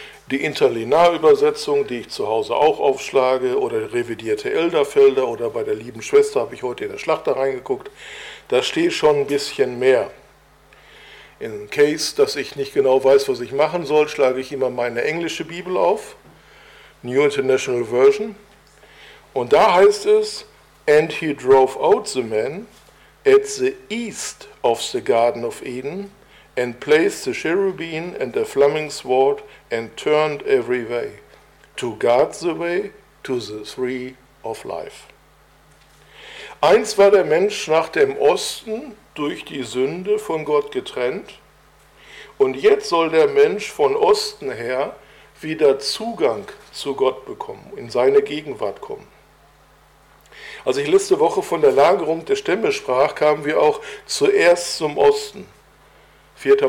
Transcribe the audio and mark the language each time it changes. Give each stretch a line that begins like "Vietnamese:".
German: Die Interlinear-Übersetzung, die ich zu Hause auch aufschlage, oder revidierte Elderfelder, oder bei der lieben Schwester habe ich heute in der Schlachter reingeguckt, da steht schon ein bisschen mehr.
English: In case,
German: dass ich nicht genau weiß, was ich machen soll, schlage ich immer meine englische Bibel auf, New International Version. Und da heißt es,
English: and he drove out the man at the east of the Garden of Eden and placed the cherubim and the flaming sword and turned every way to guard the way to the tree of life.
German: Eins war der Mensch nach dem Osten durch die Sünde von Gott getrennt und jetzt soll der Mensch von Osten her wieder Zugang zu Gott bekommen, in seine Gegenwart kommen. Als ich letzte Woche von der Lagerung der Stämme sprach, kamen wir auch zuerst zum Osten, 4.